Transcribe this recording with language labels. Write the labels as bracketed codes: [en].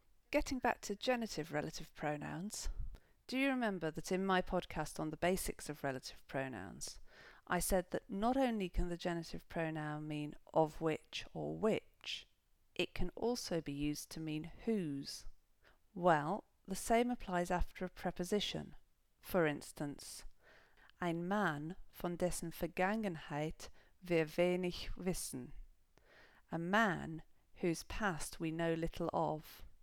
[en] Getting back to genitive relative pronouns, do you remember that in my podcast on the basics of relative pronouns, I said that not only can the genitive pronoun mean of which or which, it can also be used to mean whose. Well, the same applies after a preposition. For instance, [de] ein Mann, von dessen Vergangenheit wir wenig wissen. [en] A man whose past we know little of.